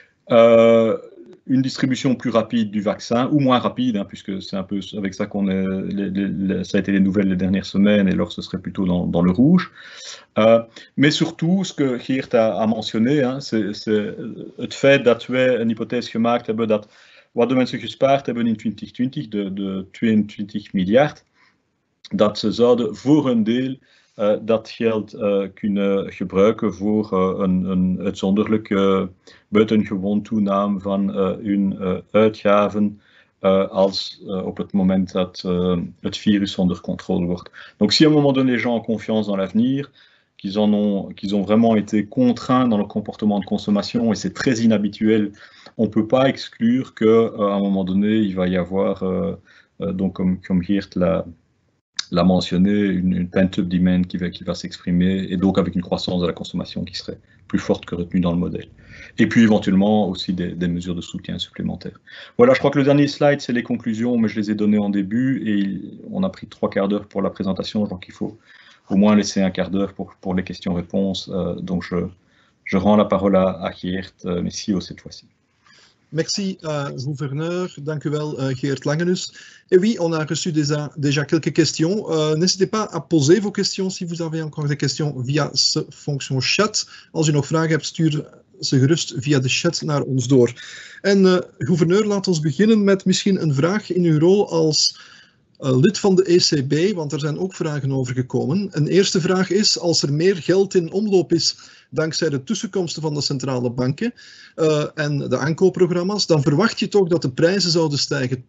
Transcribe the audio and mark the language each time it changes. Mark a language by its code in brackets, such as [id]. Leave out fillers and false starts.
[fr] Une distribution plus rapide du vaccin, ou moins rapide, hein, puisque c'est un peu avec ça qu'on est. Ça a été les nouvelles les dernières semaines, et alors ce serait plutôt dans le rouge. Mais surtout, ce que Geert a mentionné, hein, c'est le fait d'atteler une hypothèse que Marc a dit. [nl] Wat de mensen gespaard hebben in 2020, de 22 miljard, dat ze zouden voor een deel dat geld kunnen gebruiken voor een uitzonderlijke buitengewoon toename van hun uitgaven als op het moment dat het virus onder controle wordt. [fr] Donc si à un moment donné les gens ont confiance dans l'avenir, qu'ils ont vraiment été contraints dans leur comportement de consommation, et c'est très inhabituel, on ne peut pas exclure qu'à un moment donné, il va y avoir, donc comme Geert l'a mentionné, une pent-up demand qui va s'exprimer, et donc avec une croissance de la consommation qui serait plus forte que retenue dans le modèle. Et puis éventuellement aussi des mesures de soutien supplémentaires. Voilà, je crois que le dernier slide, c'est les conclusions, mais je les ai données en début, et on a pris 3 quarts d'heure pour la présentation, donc il faut au moins laisser un quart d'heure pour les questions-réponses. Donc, je rends la parole à Geert Messiho cette fois-ci. Merci, gouverneur. [nl] Dank u wel, Geert Langenus. [fr] Et oui, on a reçu déjà quelques questions. N'hésitez pas à poser vos questions si vous avez encore des questions via ce fonction chat. [nl] Als u nog vragen hebt, stuur ze gerust via de chat naar ons door. En gouverneur, laat ons beginnen met misschien een vraag in uw rol als lid van de ECB, want er zijn ook vragen over gekomen. Een eerste vraag is, als er meer geld in omloop is dankzij de tussenkomsten van de centrale banken en de aankoopprogramma's, dan verwacht je toch dat de prijzen zouden stijgen.